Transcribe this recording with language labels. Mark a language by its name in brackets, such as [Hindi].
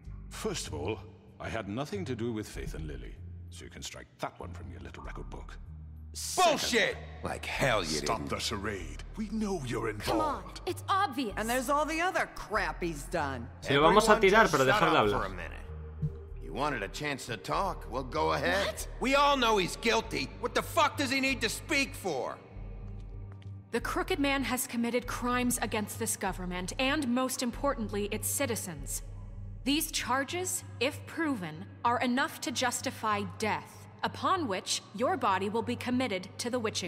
[English] First of all, I had nothing to do with Faith and Lily. So you can strike that one from your little record book. Bullshit! Like hell you Stop the charade. We know you're involved. Come on, it's obvious. And there's all the other crap he's done. [Spanish] Se lo vamos a tirar, pero dejarle hablar. [English] You wanted a chance to talk. Well, go ahead. What? We all know he's guilty. What the fuck does he need to speak for? The Crooked Man has committed crimes against this government and, most importantly, its citizens. These charges, if proven, are enough to justify death, upon which your body will be committed to the witching